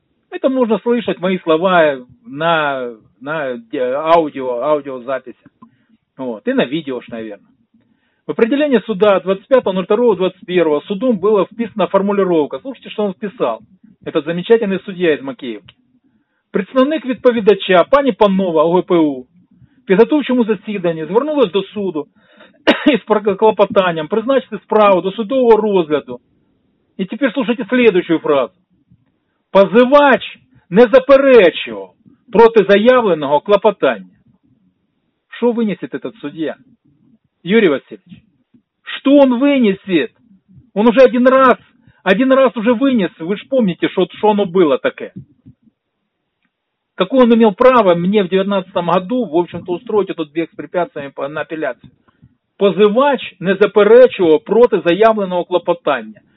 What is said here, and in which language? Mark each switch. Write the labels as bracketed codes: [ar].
[ru] Это можно слышать мои слова на аудиозаписи. Вот. И на видео, наверное. В определении суда 25.02.21 судом была вписана формулировка. Слушайте, что он вписал. Это замечательный судья из Макеевки. [uk] Представник відповідача пані Панова ОГПУ, підготовчому засіданню, звернулась до суду із клопотанням призначити справу до судового розгляду. І тепер слухайте слідуючу фразу. Позивач не заперечував проти заявленого клопотання. Що винесет этот суддя? Юрій Васильович, що він винесет? Він вже один раз уже винес, ви ж пам'ятаєте, що воно було таке. [ru] Какое он имел право мне в 19-м году, в общем-то, устроить этот бег с препятствиями на апелляцию? [uk] Позывач не заперечував проти заявленого клопотання.